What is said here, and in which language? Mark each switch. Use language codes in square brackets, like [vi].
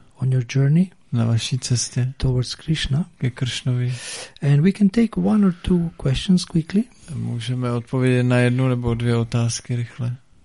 [en] On your journey. [cs] Na vaší cestě. [en] Towards Krishna. [cs] Ke Krishnovi. [en] And we can take one or two questions quickly. [cs] A můžeme odpovědět na jednu nebo dvě otázky rychle.